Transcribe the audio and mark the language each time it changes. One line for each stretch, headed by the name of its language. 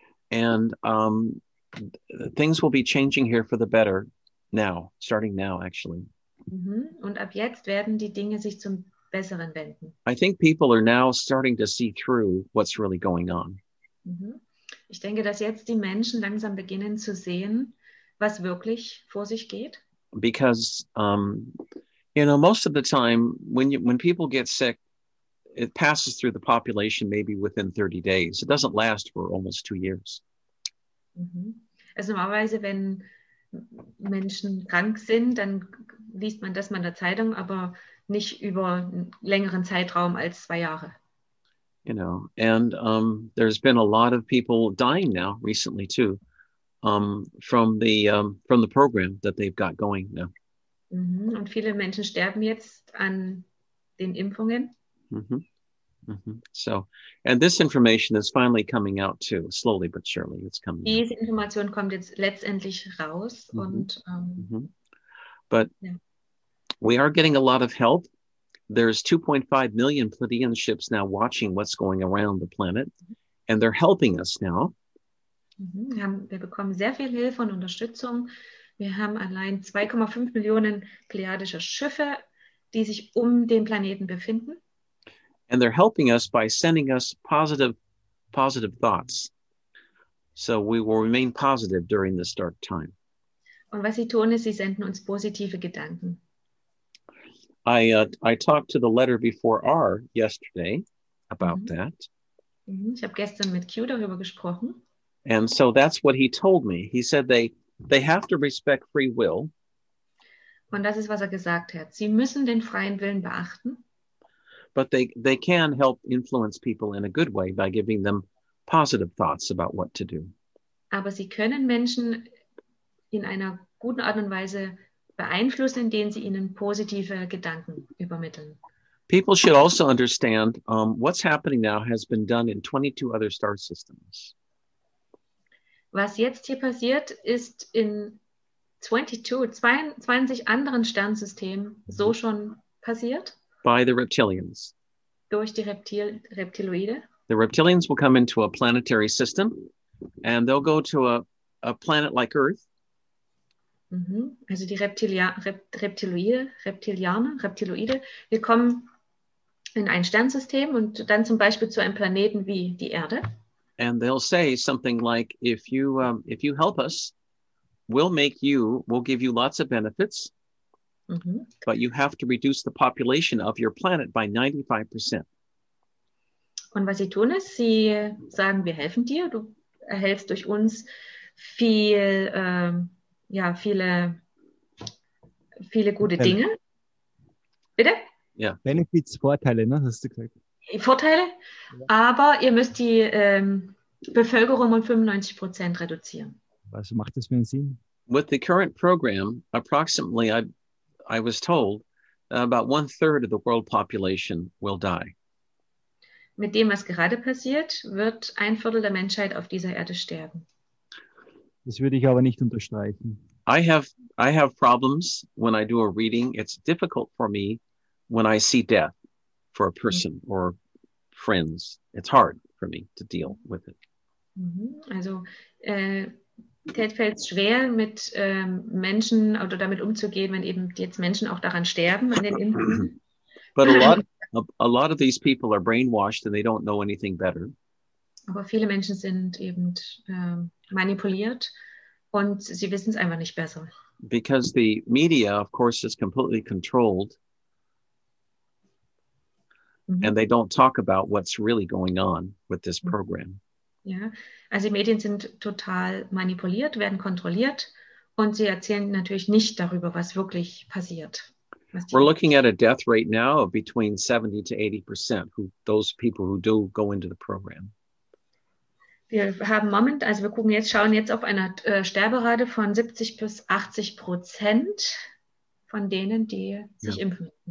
English: And things will be changing here for the better now, starting now actually.
German: Und ab jetzt werden die Dinge sich zum Besseren wenden.
English: I think people are now starting to see through what's really going on.
German: Ich denke, dass jetzt die Menschen langsam beginnen zu sehen, was wirklich vor sich geht?
English: Because, you know, most of the time, when people get sick, it passes through the population maybe within 30 days. It doesn't last for almost 2 years. Mm-hmm.
German: Also normalerweise, wenn Menschen krank sind, dann liest man das mal in der Zeitung, aber nicht über einen längeren Zeitraum als 2 Jahre.
English: You know, and there's been a lot of people dying now recently too, from the program that they've got going now. Mm-hmm.
German: Und viele Menschen sterben jetzt an den Impfungen. Mm-hmm. Mm-hmm.
English: So, and this information is finally coming out too, slowly but surely. It's coming.
German: Diese Information kommt jetzt letztendlich raus. Mm-hmm. Und, mm-hmm.
English: But yeah. We are getting a lot of help. There's 2.5 million Pleiadian ships now watching what's going around the planet, and they're helping us now.
German: Mm-hmm. Wir bekommen sehr viel Hilfe und Unterstützung. Wir haben allein 2,5 Millionen pleiadische Schiffe, die sich um den Planeten befinden.
English: And they're helping us by sending us positive thoughts. So we will remain positive during this dark time.
German: Und was sie tun, ist, sie senden uns positive Gedanken.
English: I talked to the letter before R yesterday about that.
German: Ich habe gestern mit Q darüber gesprochen.
English: And so that's what he told me. He said they have to respect free will.
German: Und das ist, was er gesagt hat. Sie müssen den freien Willen beachten.
English: But they can help influence people in a good way by giving them positive thoughts about what to do.
German: Aber sie können Menschen in einer guten Art und Weise beeinflussen, indem sie ihnen positive Gedanken übermitteln.
English: People should also understand what's happening now has been done in 22 other star systems.
German: Was jetzt hier passiert, ist in 22 anderen Sternsystemen so schon passiert.
English: By the reptilians.
German: Durch die Reptiloide.
English: The reptilians will come into a planetary system and they'll go to a planet like Earth. Mm-hmm.
German: Also die Reptiloide, wir kommen in ein Sternsystem und dann zum Beispiel zu einem Planeten wie die Erde.
English: And they'll say something like, if you help us, we'll give you lots of benefits. Mm-hmm. But you have to reduce the population of your planet by 95%.
German: Und was sie tun ist, sie sagen, wir helfen dir, du erhältst durch uns viele gute Benefits. Dinge. Bitte? Ja.
English: Yeah.
German: Benefits, Vorteile, ne? Hast du gesagt. Vorteile, ja. Aber ihr müsst die Bevölkerung um 95% reduzieren. Was macht das für einen Sinn?
English: With the current program, approximately, I was told about 1/3 of the world population will die.
German: Mit dem, was gerade passiert, wird 1/4 der Menschheit auf dieser Erde sterben. Das würde ich aber nicht unterstreichen.
English: I have problems when I do a reading. It's difficult for me when I see death for a person or friends. It's hard for me to deal with it.
German: Also, Ted fällt es schwer, mit Menschen oder damit umzugehen, wenn eben jetzt Menschen auch daran sterben, an den Impfungen.
English: But a lot of these people are brainwashed and they don't know anything better.
German: Aber viele Menschen sind eben manipuliert und sie wissen es einfach nicht besser.
English: Because the media, of course, is completely controlled. Mm-hmm. And they don't talk about what's really going on with this program.
German: Ja, also die Medien sind total manipuliert, werden kontrolliert und sie erzählen natürlich nicht darüber, was wirklich passiert.
English: We're looking at a death rate now of between 70-80%, those people who do go into the program.
German: Wir schauen jetzt auf eine Sterberate von 70-80% von denen, die sich impfen.